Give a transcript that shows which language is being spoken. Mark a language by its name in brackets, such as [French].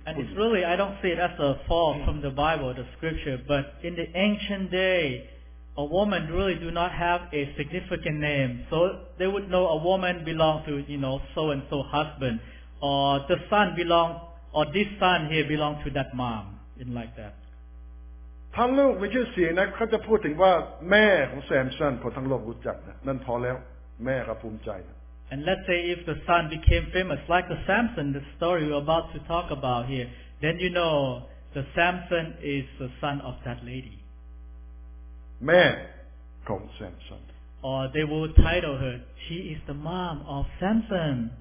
[English] And it's really I don't see it as a fault from the Bible the scripture but in the ancient day a woman really do not have a significant name so they would know a woman belong to you know so and so husbandOr the son belong, or this son here belong to that mom, in like that. [Thai] ถ้าลูกมีชื่อเสียงนะเขาจะพูดถึงว่าแม่ของแซมสันคนทั้งโลกรู้จักนะนั่นพอแล้วแม่ก็ภูมิใจ [English] And let's say if the son became famous like the Samson, the story we're about to talk about here, then you know the Samson is the son of that lady. [Thai] แม่ของแซมสัน [English] Or they will title her, she is the mom of Samson.